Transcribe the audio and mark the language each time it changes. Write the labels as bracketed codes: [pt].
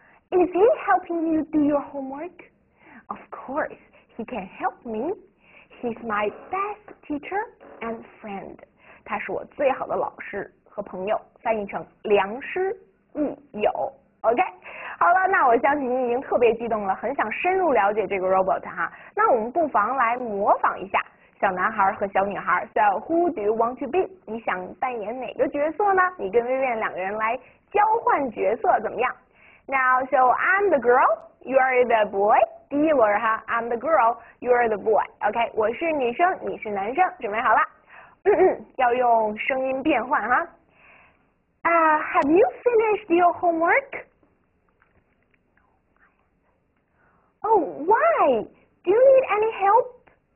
[en] Is he helping you do your homework? Of course, he can help me. He's my best teacher and friend. [zh] 他是我最好的老师和朋友，翻译成良师益友。 OK，好了，那我相信你已经特别激动了，很想深入了解这个 robot 哈。那我们不妨来模仿一下。小男孩和小女孩， [en] So who do you want to be？ [zh] 你想扮演哪个角色呢？你跟 Vivian 两个人来交换角色怎么样？ [en] Now, so I'm the girl, you are the boy。 [zh] 第一轮哈， [en] I'm the girl, you are the boy。 [zh] OK，我是女生，你是男生，准备好了？要用声音变换哈。 [en] Have you finished your homework？ Why? Do you need any help?